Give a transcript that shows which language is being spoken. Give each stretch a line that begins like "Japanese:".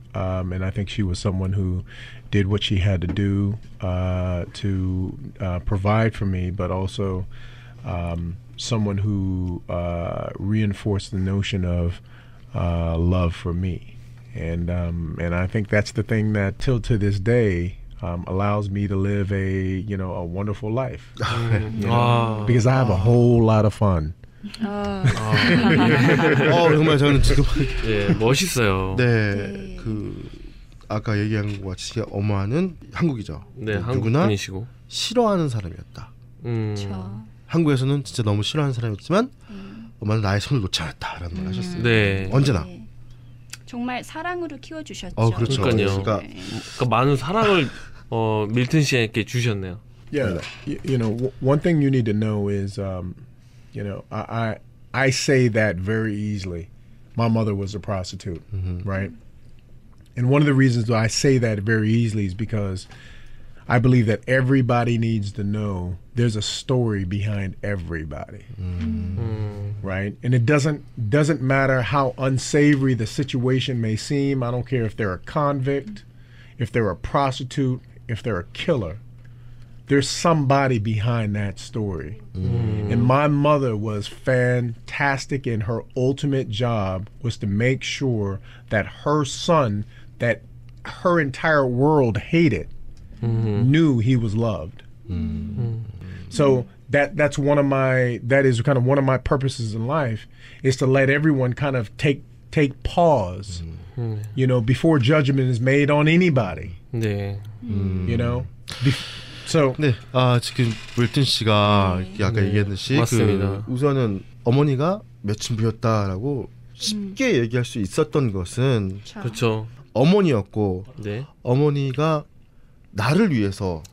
English: And I think she was someone who did what she had to do to provide for me, but also someone who reinforced the notion of love for me. And I think that's the thing that, till to this day, allows me to live a, you know, a wonderful life. You know? Because I have a whole lot of fun.
Korean: 어. 어, 정말 저는 지금 예 네, 멋있어요. 네, 네, 그 아까 얘기한 것 같이 어머니는 한국이죠. 네, 한국분이시고 싫어하는 사람이었다. 그렇죠. 한국에서는 진짜 너무 싫어하는 사람이었지만 어머니는 나의 손을 놓지 않았다라는 말 하셨어요. 네, 언제나 정말 사랑으로 키워주셨죠. 어, 그렇죠. 그러니까요. 그러니까, 네. 그러니까 많은 사랑을 밀턴 씨에게 주셨네요.
English: Yeah, you know, one thing you need to know is. You know, I say that very easily. My mother was a prostitute, right? And one of the reasons why I say that very easily is because I believe that everybody needs to know there's a story behind everybody, right? And it doesn't matter how unsavory the situation may seem. I don't care if they're a convict, if they're a prostitute, if they're a killer. There's somebody behind that story. And my mother was fantastic, and her ultimate job was to make sure that her son, that her entire world hated, knew he was loved. So that is kind of one of my purposes in life, is to let everyone kind of take pause, you know, before judgment is made on anybody. Yeah. You know?
Korean: So, 네, 아 지금 물튼 씨가 아까 네. 얘기했듯이 맞습니다. 그 우선은 어머니가 매춘부였다라고 쉽게 얘기할 수 있었던 것은 그쵸. 어머니였고 네. 어머니가 나를 위해서